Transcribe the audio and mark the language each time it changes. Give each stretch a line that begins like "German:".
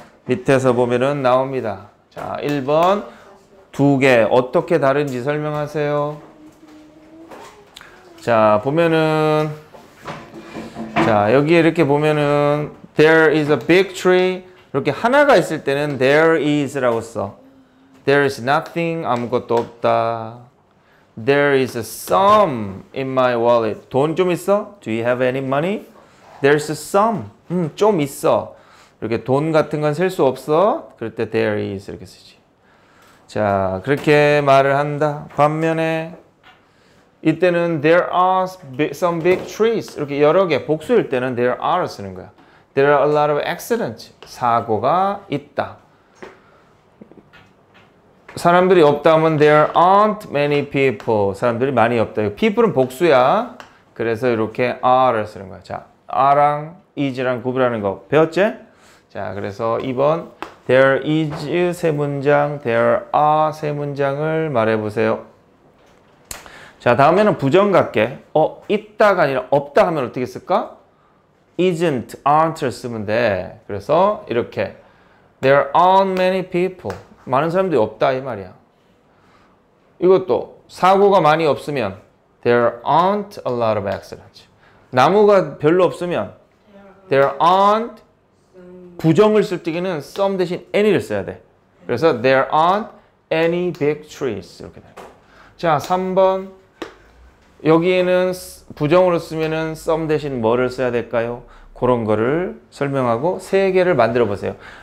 Korean: 밑에서 보면은 나옵니다. 자, 1번 두 개 어떻게 다른지 설명하세요. 자, 보면은 자, 여기에 이렇게 보면은
English: there is a big tree.
Korean: 이렇게 하나가 있을 때는 there is라고 써.
English: There is nothing.
Korean: 아무것도 없다.
English: There is some in my wallet.
Korean: 돈 좀 있어?
English: Do you have any money? There's some.
Korean: 좀 있어. 이렇게 돈 같은 건 셀 수 없어? 그럴 때 there is 이렇게 쓰지. 자, 그렇게 말을 한다. 반면에 이때는
English: there are some big trees.
Korean: 이렇게 여러 개 복수일 때는 there are 쓰는 거야.
English: There are a lot of accidents.
Korean: 사고가 있다. 사람들이 없다면
English: there aren't many people.
Korean: 사람들이 많이 없다. People은 복수야. 그래서 이렇게 are를 쓰는 거야. 자, are랑 is랑 구별하는 거 배웠지? 자, 그래서 2번 there is 세 문장, there are 세 문장을 말해보세요. 자, 다음에는 부정 같게 있다가 아니라 없다 하면 어떻게 쓸까? isn't, aren't를 쓰면 돼. 그래서 이렇게
English: there aren't many people.
Korean: 많은 사람들이 없다 이 말이야. 이것도 사고가 많이 없으면
English: there aren't a lot of accidents.
Korean: 나무가 별로 없으면 there aren't 부정을 쓸 때에는 some 대신 any를 써야 돼.
English: 그래서 there aren't any big trees
Korean: 이렇게 돼. 자, 3번 여기에는 부정으로 쓰면은 some 대신 뭐를 써야 될까요? 그런 거를 설명하고 세 개를 만들어 보세요.